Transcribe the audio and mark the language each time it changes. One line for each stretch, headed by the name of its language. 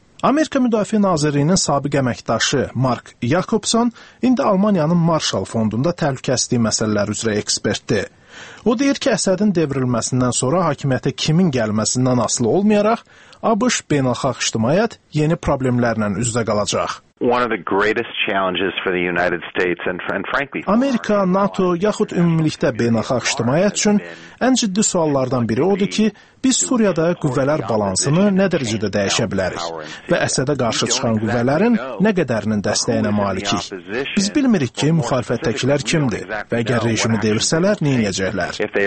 Azerbaijani: Amerika Müdafiə Nazirliyinin sabiq əməkdaşı Mark Jakobson indi Almaniyanın Marshall Fondunda təhlükəsizlik məsələləri üzrə ekspertdir. O deyir ki, Əsədin devrilməsindən sonra hakimiyyətə kimin gəlməsindən asılı olmayaraq, ABŞ beynəlxalq ictimaiyyət yeni problemlərlə üzdə qalacaq.
English: One of the greatest challenges for the United States and frankly
Azerbaijani: Amerika, NATO yaxud ümumilikdə beynəlxalq ictimaiyyət üçün ən ciddi suallardan biri odur ki, biz Suriyada qüvvələr balansını nə dərəcədə dəyişə bilərik və Əsədə qarşı çıxan qüvvələrin nə qədərinin dəstəyinə malikik. Biz bilmirik ki, müxalifətdəkilər kimdir və əgər rejimi devirsələr, nə edəcəklər?